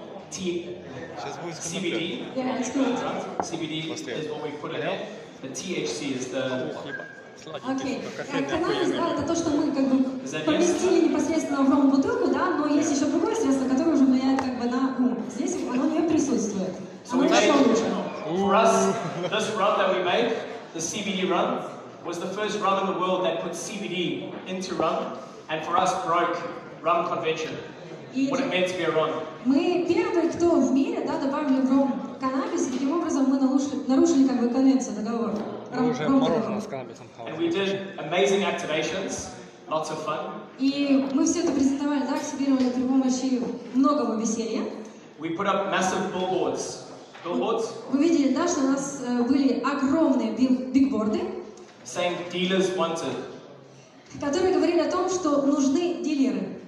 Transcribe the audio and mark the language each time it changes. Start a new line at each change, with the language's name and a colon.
English: T. CBD. CBD is what we put in it. The THC is the.
Russian: Окей. Каннабис, да, это то, что мы как бы поместили непосредственно в ром-бутылку, да, но есть еще другое средство, которое уже влияет как бы на ум. Здесь оно не присутствует.
English: So we made, for us, this rum that we made, the CBD rum, was the first rum in the world that put CBD into rum, and for us broke rum convention, what it meant to be a rum.
Russian: Мы первые, кто в мире, да, добавили в рум каннабис, и таким образом мы нарушили как бы конвенцию, договор. Мы уже мороженое с каннабисом.
English: And we did amazing activations, lots of fun.
Russian: И мы все это презентовали, да, активировали при помощи многого веселья.
English: We put up massive billboards. Billboards?
Russian: Вы видели, да, что у нас были огромные бигборды.
English: Saying dealers wanted.
Russian: Которые говорили о том, что нужны дилеры.